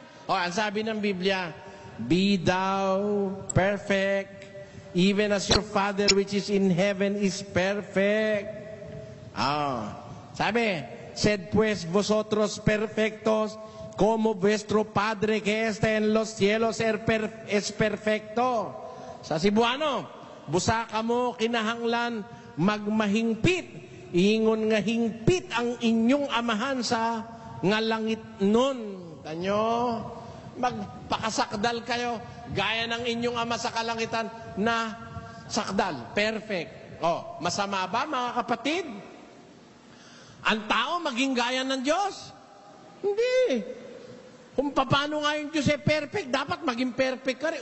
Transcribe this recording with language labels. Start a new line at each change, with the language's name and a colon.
Filipino: O, ang sabi ng Biblia,
English: be thou perfect, even as your Father which is in heaven is perfect.
Spanish: Ah, oh, sabi, sed pues vosotros perfectos, como vuestro Padre que está en los cielos es perfecto.
Cebuano: Sa Cebuano, busa kamo kinahanglan magmahingpit, ingon nga hingpit ang inyong amahan sa ngalangit nun.
Filipino: Tanyo, magpakasakdal kayo gaya ng inyong ama sa kalangitan na sakdal, perfect. Oh, masama ba mga kapatid? Ang tao maging gaya ng Diyos? Hindi. Kung paano nga yung Diyos eh, perfect, dapat maging perfect ka rin.